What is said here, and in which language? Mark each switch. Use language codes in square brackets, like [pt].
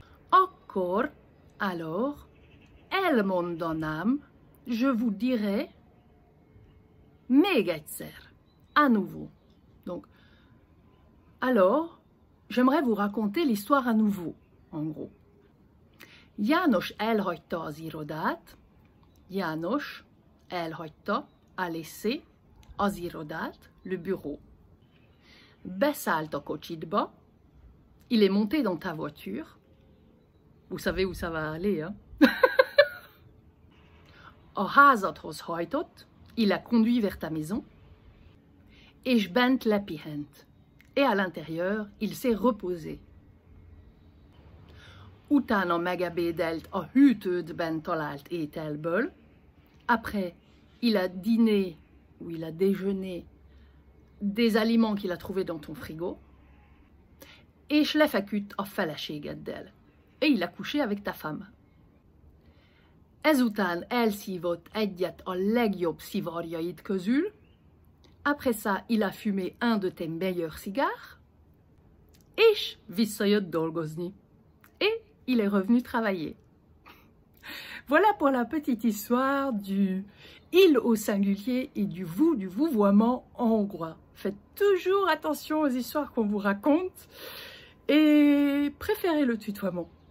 [fr] Encore, alors, [hu] elmondonam, [fr] je vous dirai. [hu] Megaitzer, [fr] à nouveau. Donc, alors, j'aimerais vous raconter l'histoire à nouveau, en gros. [hu] János elhagyta az irodát. János elhagyta, [fr] a laissé, [hu] az irodát, [fr] le bureau. [hu] Beszállt a kocsitba. [fr] Il est monté dans ta voiture. Vous savez où ça va aller, hein? [hu] A házadhoz hajtott. [fr] Il a conduit vers ta maison. [hu] És bent lepihent. [fr] Et à l'intérieur, il s'est reposé. [hu] Utána megebédelt a hűtődben talált ételből. [fr] Après, il a dîné ou il a déjeuné des aliments qu'il a trouvés dans ton frigo. [hu] És lefeküdt a feleségeddel. [fr] Et il a couché avec ta femme. [hu] Ezután elszívott egyet a legjobb szivarjaid közül. [fr] Après ça, il a fumé un de tes meilleurs cigares. [hu] És visszajött dolgozni. [fr] Et il est revenu travailler. Voilà pour la petite histoire du il au singulier et du vouvoiement en hongrois. Faites toujours attention aux histoires qu'on vous raconte et préférez le tutoiement.